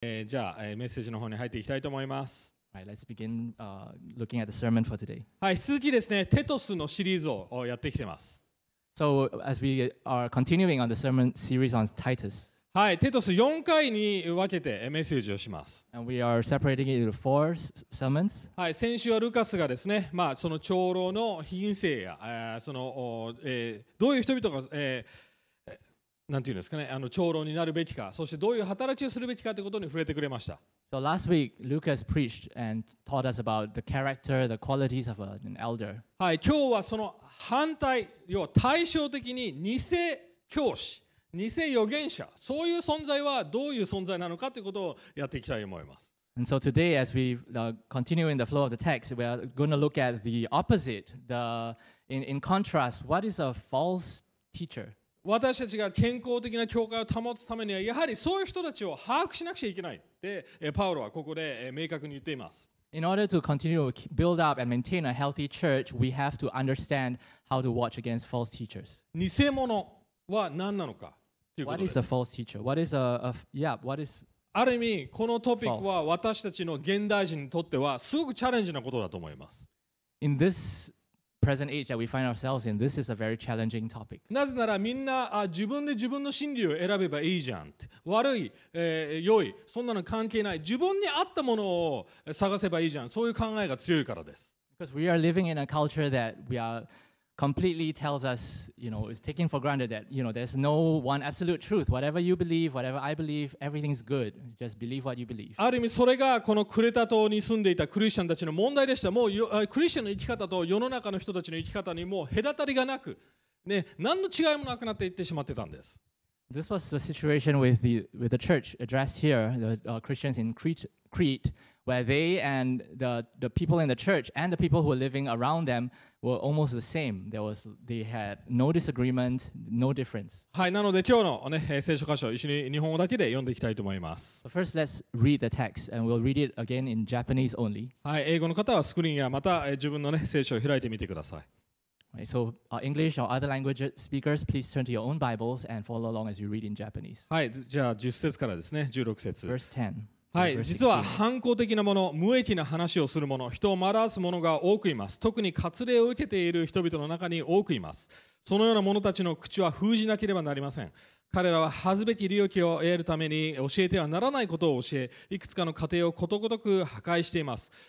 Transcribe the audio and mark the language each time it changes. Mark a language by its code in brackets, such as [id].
[ja] じゃあ、メッセージの方に入っていきたいと思います。 [en] Right, let's begin, looking at the sermon for today. [ja] はい、続きですね、テトスのシリーズをやってきてます。 [en] So, as we are continuing on the sermon series on Titus. [ja] はい、テトス4回に分けてメッセージをします。 [en] And we are separating it into four sermons. [ja] はい、先週はルカスがですね、まあ、その長老の品性や、その、どういう人々が、なんていうんですかね、あの長老になるべきか、そしてどういう働きをするべきかということに触れてくれました。 [en] So last week, Lucas preached and taught us about the character, the qualities of an elder. [ja] はい、今日はその反対、要は対照的に偽教師、偽預言者、そういう存在はどういう存在なのかということをやっていきたいと思います。 [en] And so today, as we continue in the flow of the text, we are going to look at the opposite, in contrast, what is a false teacher? [ja] 私たちが健康的な教会を保つためにはやはりそういう人たちを把握しなくちゃいけないってパウロはここで明確に言っています。 [en] In order to continue to build up and maintain a healthy church, we have to understand how to watch against false teachers. [ja] 偽物は何なのかということです。 [en] What is a false teacher? What is what is [ja] ある意味このトピックは私たちの現代人にとってはすごくチャレンジなことだと思います。 [en] In thisPresent age that we find ourselves in, this is a very challenging topic. [ja] なぜならみんな自分で自分の真理を選べばいいじゃん。悪い、良い、そんなの関係ない。自分に合ったものを探せばいいじゃん。そういう考えが強いからです。 [en] Because we are living in a culture that we are completely tells us, you know, is taking for granted that, you know, there's no one absolute truth. Whatever you believe, whatever I believe, everything's good. Just believe what you believe. [ja] ある意味それがこのクレタ島に住んでいたクリスチャンたちの問題でした。もうクリスチャンの生き方と世の中の人たちの生き方にもう隔たりがなく、ね、何の違いもなくなっていってしまってたんです。 [en] This was the situation with the church addressed here, the Christians in Crete, where they and the people in the church and the people who were living around them were almost the same. They had no disagreement, no difference. [ja] はい、なので今日のね、聖書箇所一緒に日本語だけで読んでいきたいと思います。 [en] But first, let's read the text, and we'll read it again in Japanese only. [ja] はい、英語の方はスクリーンやまた自分のね、聖書を開いてみてください。 [en] So, English or other language speakers, please turn to your own Bibles and follow along as you read in Japanese. [ja] はい、じゃあ10節からですね、16節。 [en] Verse 10. [ja] はい、実は反抗的なもの、無益な話をするもの、人を惑わすものが多くいます。特に割礼を受けている人々の中に多くいます。そのような者たちの口は封じなければなりません。彼らは恥ずべき利益を得るために教えてはならないことを教え、いくつかの家庭をことごとく破壊しています。